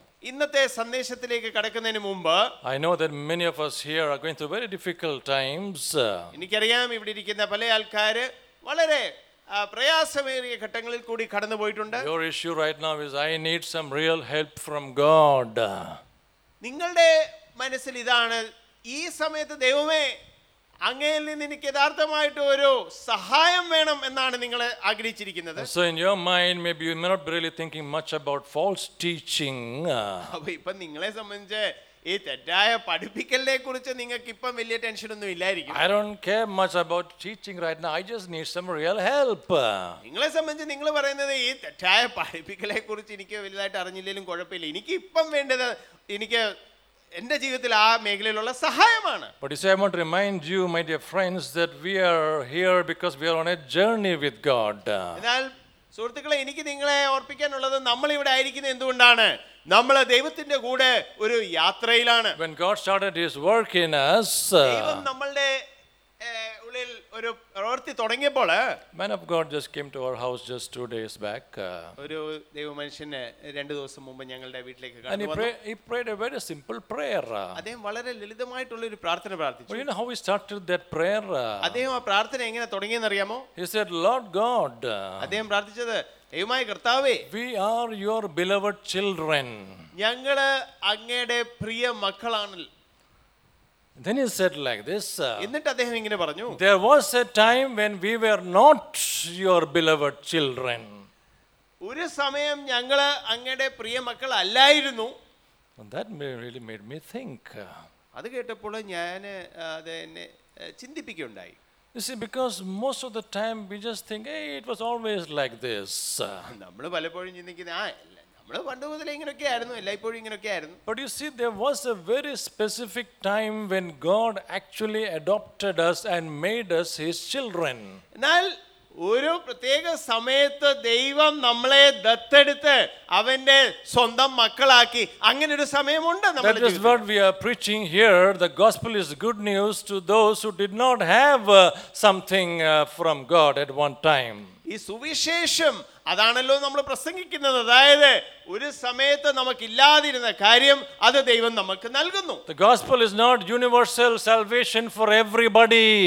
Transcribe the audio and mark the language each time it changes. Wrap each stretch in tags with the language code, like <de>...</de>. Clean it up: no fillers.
<ml>ഇന്നത്തെ സന്ദേശത്തിലേക്ക് കടക്കുന്നതിന് മുമ്പ്,</ml> <en>I know that many of us here are going through very difficult times.</en> <ml>എനിക്കറിയാം ഇവിടെ ഇരിക്കുന്ന പല ആൾക്കാരെ വളരെ പ്രയാസമേറിയ ഘട്ടങ്ങളിൽ കൂടി കടന്നു പോയിട്ടുണ്ട്.</ml> <en>Your issue right now is, I need some real help from God.</en> <ml>നിങ്ങളുടെ മനസ്സിൽ ഇതാണ്, ഈ സമയത്ത് ദൈവമേ അങ്ങയിൽ നിന്ന് എനിക്ക് യഥാർത്ഥമായിട്ട് ഒരു സഹായം വേണം എന്നാണ് നിങ്ങൾ ആഗ്രഹിച്ചിരിക്കുന്നത്.</ml> <en>So in your mind maybe you may not really thinking much about false teaching.</en> <ml>അപ്പോൾ ഇപ്പോ നിങ്ങളെ സംബന്ധിച്ച് ഈ തെറ്റായ പഠിപ്പിക്കലിനെ കുറിച്ച് നിങ്ങൾക്ക് ഇപ്പം വലിയ ടെൻഷൻ ഒന്നും ഇല്ലായിരിക്കും.</ml> <en>I don't care much about teaching right now. I just need some real help.</en> <ml>നിങ്ങളെ സംബന്ധിച്ച് നിങ്ങൾ പറയുന്നത് ഈ തെറ്റായ പഠിപ്പിക്കലിനെ കുറിച്ച് എനിക്ക് വലുതായിട്ട് അറിഞ്ഞില്ലെങ്കിലും കുഴപ്പമില്ല, എനിക്ക് ഇപ്പം വേണ്ടത് എനിക്ക് എന്റെ ജീവിതത്തിൽ ആ മേഖലയിലുള്ള സഹായമാണ്.</ml> <en>But I want to remind you my dear friends that we are here because we are on a journey with God.</en> <ml>എന്നാൽ സുഹൃത്തുക്കളെ, എനിക്ക് നിങ്ങളെ ഓർപ്പിക്കാനുള്ളത് നമ്മൾ ഇവിടെ ആയിരിക്കുന്നത് എന്തുകൊണ്ടാണ്? നമ്മൾ ദൈവത്തിന്റെ കൂടെ ഒരു യാത്രയിലാണ്.</ml> <en>When God started his work in us,</en> <ml>ദൈവം നമ്മളുടെ ഉള്ളിൽ ഒരു പ്രവൃത്തി തുടങ്ങിയപ്പോൾ,</ml> <en>man of God just came to our house just 2 days back.</en> <ml>ഒരു ദൈവമനുഷ്യനെ 2 ദിവസം മുമ്പ് ഞങ്ങളുടെ വീട്ടിലേക്ക് കടന്നു വന്നു.</ml> <en>He prayed a very simple prayer.</en> <ml>അദ്ദേഹം വളരെ ലളിതമായിട്ടുള്ള ഒരു പ്രാർത്ഥന പ്രാർത്ഥിച്ചു.</ml> <en>You know how he started that prayer?</en> <ml>അദ്ദേഹം ആ പ്രാർത്ഥന എങ്ങനെ തുടങ്ങിയെന്ന് അറിയാമോ?</ml> <en>He said, Lord God.</en> <ml>അദ്ദേഹം പ്രാർത്ഥിച്ചത്, ദൈവമായ കർത്താവേ,</ml> <en>we are your beloved children.</en> <ml>ഞങ്ങൾ അങ്ങയുടെ പ്രിയ മക്കളാണല്ലോ.</ml> <en>Then he said like this,</en> <ml>എന്നിട്ട് അദ്ദേഹം ഇങ്ങനെ പറഞ്ഞു,</ml> <en>there was a time when we were not your beloved children.</en> <ml>ഒരു സമയം ഞങ്ങൾ അങ്ങയുടെ പ്രിയ മക്കൾ അല്ലായിരുന്നു.</ml> <en>That really made me think.</en> <ml>അത് കേട്ടപ്പോൾ ഞാൻ അതെന്നെ ചിന്തിപ്പിക്കുകയുണ്ടായി.</ml> <en>You see, because most of the time we just think, hey, it was always like this.</en> <ml>നമ്മള് പലപ്പോഴും ചിന്തിക്കുന്നത് ആ നമ്മള് പണ്ട് മുതലേ ഇങ്ങനെയൊക്കെ ആയിരുന്നു, എല്ലായ്പ്പോഴും ഇങ്ങനെയൊക്കെ ആയിരുന്നു.</ml> <en>But you see, there was a very specific time when God actually adopted us and made us his children.</en> <ml>എന്നാൽ ഒരു പ്രത്യേക സമയത്ത് ദൈവം നമ്മളെ ദത്തെടുത്ത് അവന്റെ സ്വന്തം മക്കളാക്കി, അങ്ങനെ ഒരു സമയമുണ്ട്.</ml> <en>That is what we are preaching here. The gospel is good news to those who did not have something from God at one time.</en> <ml>ഈ സുവിശേഷം അതാണല്ലോ നമ്മൾ പ്രസംഗിക്കുന്നത്. അതായത് ഒരു സമയത്ത് നമുക്കില്ലാതിരുന്ന കാര്യം അത് ദൈവം നമുക്ക് നൽകുന്നു.</ml> <en>The gospel is not universal salvation for everybody.</en>